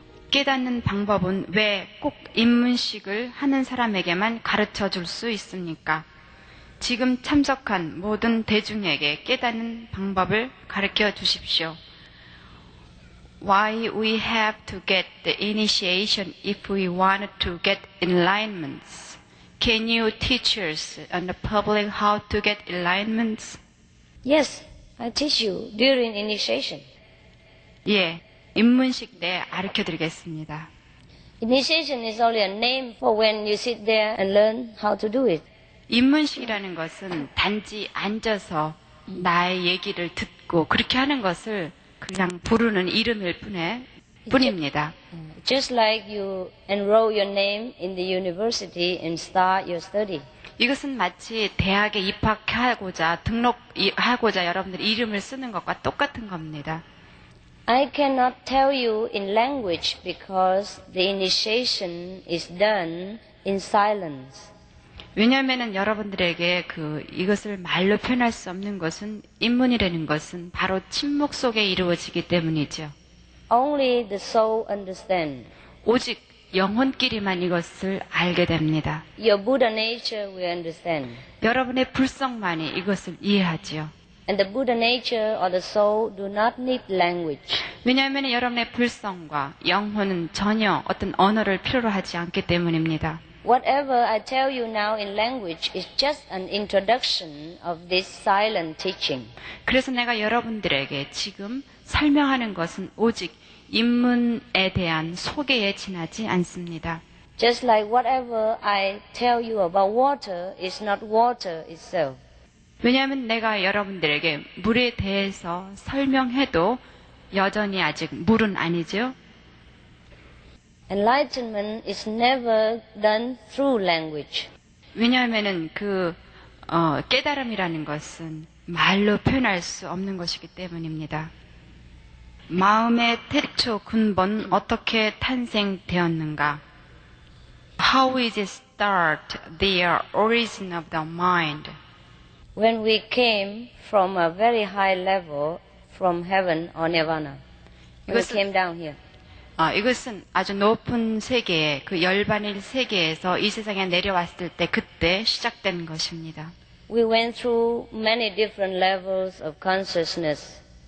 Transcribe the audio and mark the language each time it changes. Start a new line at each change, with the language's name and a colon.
Korean: 깨닫는 방법은 왜 꼭 입문식을 하는 사람에게만 가르쳐 줄 수 있습니까? 지금 참석한 모든 대중에게 깨닫는 방법을 가르쳐 주십시오.
English: Why we have to get the initiation if we want to get enlightenment? Can you teach us and the public how to get enlightenment? Yes, I teach you during initiation.
Korean: 예. 입문식 때 가르쳐 드리겠습니다.
English: Initiation is only a name for when you sit there and learn how to do it.
Korean: 입문식이라는 것은 단지 앉아서 나의 얘기를 듣고 그렇게 하는 것을 그냥 부르는 이름일 뿐입니다.
English: Just like you enroll your name in the university and start your study.
Korean: 이것은 마치 대학에 입학하고자 등록하고자 여러분들 이름을 쓰는 것과 똑같은 겁니다.
English: I cannot tell you in language because the initiation is done in silence.
Korean: 왜냐하면 여러분들에게 이것을 말로 표현할 수 없는 것은 입문이라는 것은 바로 침묵 속에 이루어지기 때문이죠.
English: Only the soul understands.
Korean: 오직 영혼끼리만 이것을 알게 됩니다.
English: Your Buddha nature will understand.
Korean: 여러분의 불성만이 이것을 이해하죠.
English: And the Buddha nature or the soul do not need language.
Korean: 왜냐하면 여러분의 불성과 영혼은 전혀 어떤 언어를 필요로 하지 않기 때문입니다.
English: Whatever I tell you now in language is just an introduction of this silent teaching.
Korean: 그래서 내가 여러분들에게 지금 설명하는 것은 오직 입문에 대한 소개에 지나지 않습니다.
English: Just like whatever I tell you about water is not water itself.
Korean: 왜냐하면 내가 여러분들에게 물에 대해서 설명해도 여전히 아직 물은 아니죠.
English: Enlightenment is never done through language.
Korean: 왜냐하면 깨달음이라는 것은 말로 표현할 수 없는 것이기 때문입니다. 마음의 태초 근본 어떻게 탄생되었는가?
English: How is it start the origin of the mind? When we came from a very high level from heaven or nirvana, we came down here.
Korean: 이것은 아주 높은 세계에 그 열반일 세계에서 이 세상에 내려왔을 때 그때 시작된 것입니다.
English: We went through many different levels of consciousness.